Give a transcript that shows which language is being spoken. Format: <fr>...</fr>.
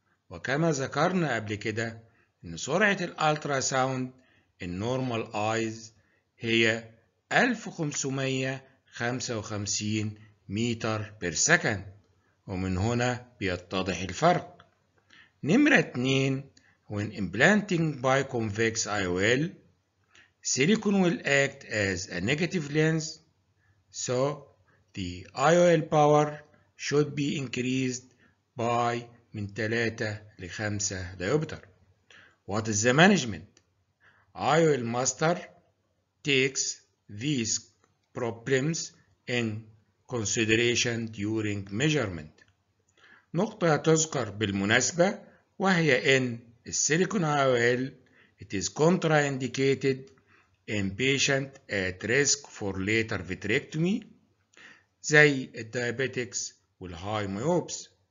<ar>وكما ذكرنا قبل كده إن سرعة الألترا ساوند النورمال آيز هي 1555 متر بير سكند، ومن هنا بيتضح الفرق.</ar> <en>نمرة 2 when implanting biconvex IOL silicone will act as a negative lens so the IOL power should be increased by</en> <ar>من 3 ل 5</ar> <en>diopter. What is the management? IOL master takes these problems in consideration during measurement.</en> <ar>نقطة تذكر بالمناسبة وهي إن السيليكون IOL</ar> <en>it is contraindicated in patient at risk for later vitrectomy</en> <ar>زي الديابيتكس والهاي مايوبس.</ar>